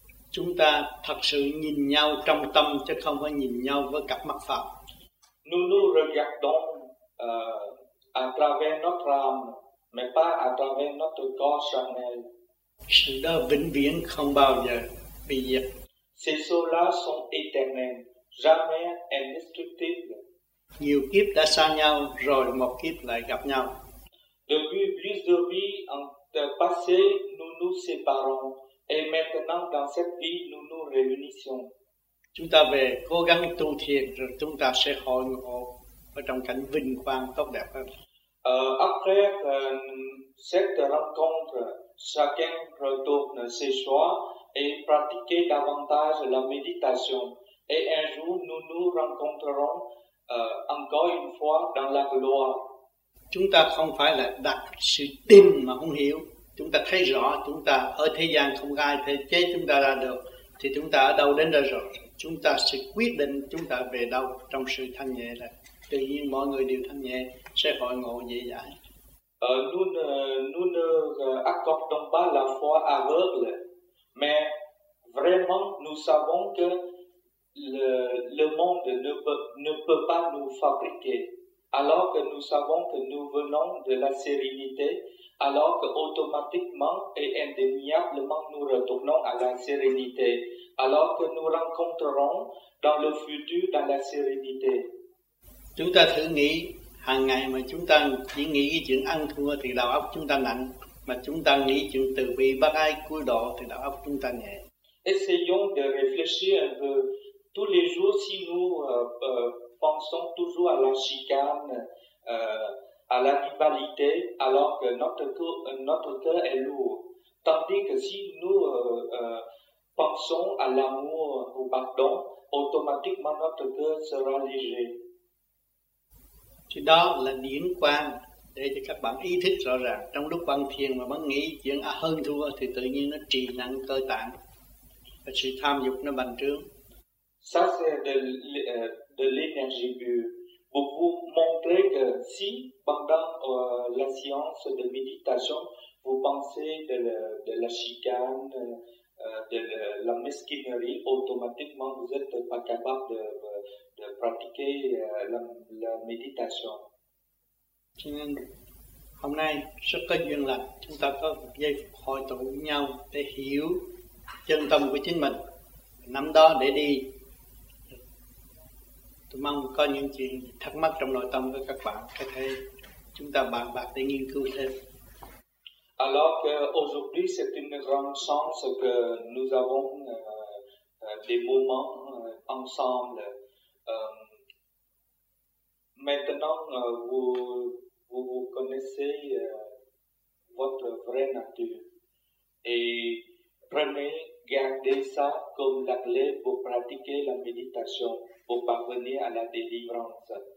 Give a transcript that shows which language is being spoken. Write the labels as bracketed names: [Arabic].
[Vietnamese] Chúng ta thật sự nhìn nhau trong tâm chứ không phải nhìn nhau với cặp mắt phàm. [French] Nous nous regardons à travers notre âme, mais pas à travers notre corps charnel. [Vietnamese] Sự đó vĩnh viễn không bao giờ bị diệt. [French] Ces choses-là sont éternelles, jamais indestructibles. [Vietnamese] Nhiều kiếp đã xa nhau rồi một kiếp lại gặp nhau. [French] Depuis plusieurs vies en passé, nous nous séparons et maintenant dans cette vie nous nous réunissons. [Vietnamese] Chúng ta về cố gắng tu thiền rồi chúng ta sẽ hội ngộ ở trong cảnh vinh quang tốt đẹp hơn. [French] Après cette rencontre, chacun retourne chez soi et pratique davantage la méditation et un jour nous nous rencontrerons. Encore une fois dans la gloire. [Vietnamese] Chúng ta không phải là đặt sự tin mà không hiểu. Chúng ta thấy rõ chúng ta ở thế gian không ai thể chế chúng ta ra được, thì chúng ta ở đâu đến đó rồi. Chúng ta sẽ quyết định chúng ta về đâu trong sự thanh nhẹ là tự nhiên mọi người đều thanh nhẹ, sẽ hội ngộ dễ dãi. [French] Nous ne accordons pas la foi aveugle, mais vraiment nous savons que le monde ne peut pas nous fabriquer, alors que nous savons que nous venons de la sérénité, alors que automatiquement et indéniablement nous retournons à la sérénité, alors que nous rencontrerons dans le futur dans la sérénité. [Vietnamese] Chúng ta thử nghĩ hàng ngày mà chúng ta chỉ nghĩ cái chuyện ăn thua thì đầu óc chúng ta nặng, mà chúng ta nghĩ chuyện từ bi bác ai cứu độ thì đầu óc chúng ta nhẹ. [French] Essayons de réfléchir un peu. Tous les jours, si nous pensons toujours à la chicane, à l'animalité alors que notre cœur est lourd. Tandis que si nous pensons à l'amour ou au pardon, automatiquement notre cœur sera léger. [Vietnamese] Thì đó là điển quang để cho các bạn ý thức rõ ràng. Trong lúc bạn thiền mà bạn nghĩ chuyện hơn thua thì tự nhiên nó trì nặng cơ tạng và sự tham dục nó bành trướng. [French] Ça c'est de l'énergie pure. Pour vous montrer que si pendant la séance de méditation vous pensez de la chicane, de la mesquinerie, automatiquement vous n'êtes pas capable de pratiquer la méditation. [Vietnamese] Cho nên hôm nay rất có duyên là chúng ta có giây hội tụ với nhau để hiểu chân tâm của chính mình, nắm đó để đi. Tôi mong có những chuyện thắc mắc trong nội tâm của các bạn có thể chúng ta bàn bạc để nghiên cứu thêm. [French] Alors qu'aujourd'hui c'est une grande chance que nous avons des moments ensemble. Maintenant vous connaissez votre vraie nature et prenez gardez ça comme la clé pour pratiquer la méditation, pour parvenir à la délivrance.